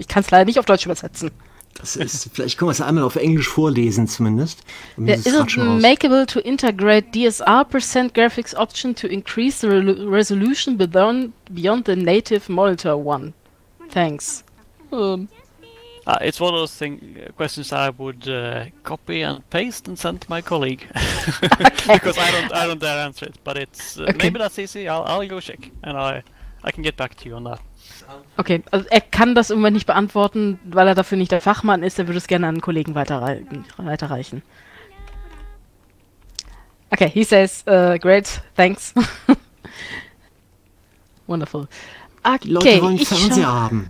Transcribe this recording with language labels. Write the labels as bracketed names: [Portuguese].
[German] Ich kann es leider nicht auf Deutsch übersetzen. Vielleicht können wir es einmal auf Englisch vorlesen zumindest. [English] Is it makeable to integrate DSR percent graphics option to increase the resolution beyond the native monitor one? Thanks. It's one of those questions I would copy and paste and send to my colleague. Because I don't dare answer it. But it's maybe that's easy. I'll go check and I can get back to you on that. [German] Okay, also er kann das irgendwann nicht beantworten, weil er dafür nicht der Fachmann ist. Er würde es gerne an einen Kollegen weiterreichen. [English] Okay, he says, great, thanks. Wonderful. Okay, [German] die Leute wollen Fernseher haben.